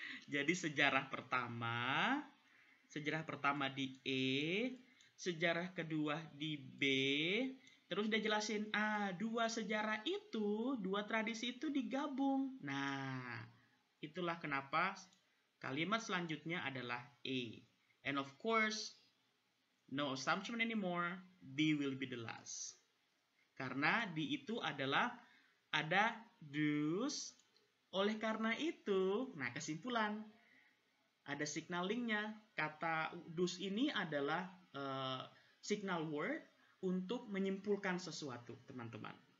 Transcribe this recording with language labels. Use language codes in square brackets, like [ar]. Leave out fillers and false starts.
[id] Jadi sejarah pertama di A, sejarah kedua di B. Terus dia jelasin, dua sejarah itu, dua tradisi itu digabung. Nah, itulah kenapa kalimat selanjutnya adalah A. [en] And of course, no assumption anymore, B will be the last. [id] Karena D itu adalah ada dus, oleh karena itu, nah kesimpulan, ada signal link-nya. Kata dus ini adalah signal word, untuk menyimpulkan sesuatu, teman-teman.